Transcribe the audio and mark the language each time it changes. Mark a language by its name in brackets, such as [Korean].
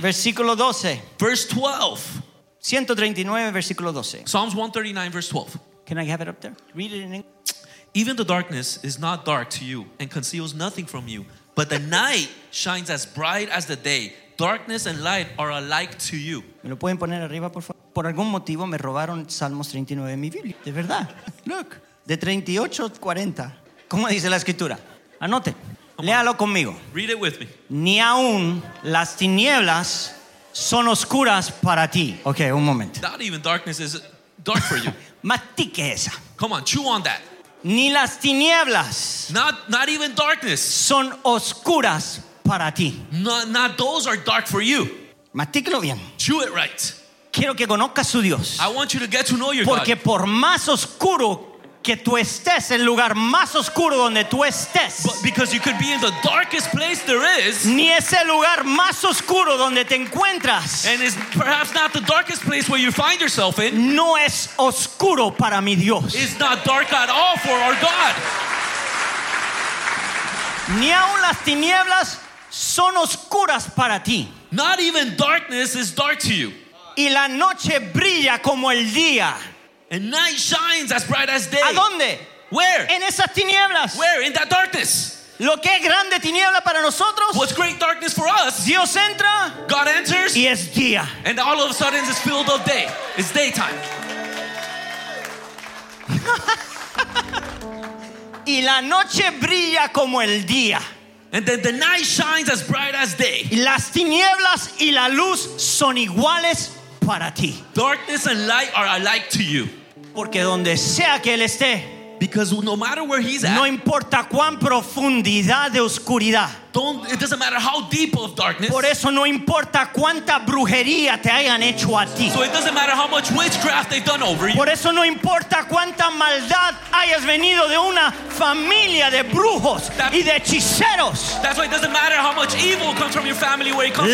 [Spanish] Versículo 12. [English] Verse 12. [Spanish] 139, versículo 12. [English] Psalms 139, verse 12. Can I have it up there? Read it in English. Even the darkness is not dark to you and conceals nothing from you, but the night shines as bright as the day. Darkness and light are alike to you. [Spanish] ¿Me lo pueden poner arriba, por favor? Por algún motivo me robaron Salmos 39 en mi Biblia. De verdad. [English] Look. [Spanish] De 38, 40. ¿Cómo dice la escritura? Anote. Léalo conmigo. [English] Read it with me. [Spanish] Ni aún las tinieblas son oscuras para ti. Okay, un momento. [English] Not even darkness is dark for you. [Spanish] Mastique esa. [English] Come on, chew on that. [Spanish] Ni las tinieblas. [English] Not even darkness. [Spanish] Son oscuras para ti. [English] Not those are dark for you. [Spanish] Mastíquelo bien. [English] Chew it right. [Spanish] Quiero que conozcas su Dios. [English] I want you to get to know your [Spanish] porque [English] God. [Spanish] Porque por más oscuro que tú estés en el lugar más oscuro donde tú estés. [English] But because you could be in the darkest place there is. [Spanish] Ni ese lugar más oscuro donde te encuentras. [English] And it's perhaps not the darkest place where you find yourself in. [Spanish] No es oscuro para mi Dios. [English] It's not dark at all for our God. [Spanish] Ni aun las tinieblas son oscuras para ti. [English] Not even darkness is dark to you. [Spanish] Y la noche brilla como el día. [English] And night shines as bright as day. [Spanish] ¿A dónde? [English] Where? [Spanish] En esas tinieblas. [English] Where? In that darkness. [Spanish] Lo que es grande tiniebla para nosotros. [English] What's great darkness for us. [Spanish] Dios entra. [English] God enters. [Spanish] Y es día. [English] And all of a sudden it's filled of day. It's daytime. [Spanish] Y la noche brilla como el día. [English] And then the night shines as bright as day. [Spanish] Y las tinieblas y la luz son iguales. Para ti. [English] Darkness and light are alike to you. [Spanish] Porque donde sea que él esté, [English] because no matter where he's at, [Spanish] no importa cuán profundidad de oscuridad, [English] it doesn't matter how deep of darkness, [Spanish] por eso no importa cuánta brujería te hayan hecho a ti, [English] so it doesn't matter how much witchcraft they've done over you, [Spanish] por eso no importa cuánta maldad hayas venido de una familia de brujos y de hechiceros, [English] that's why it doesn't matter how much evil comes from your family where it comes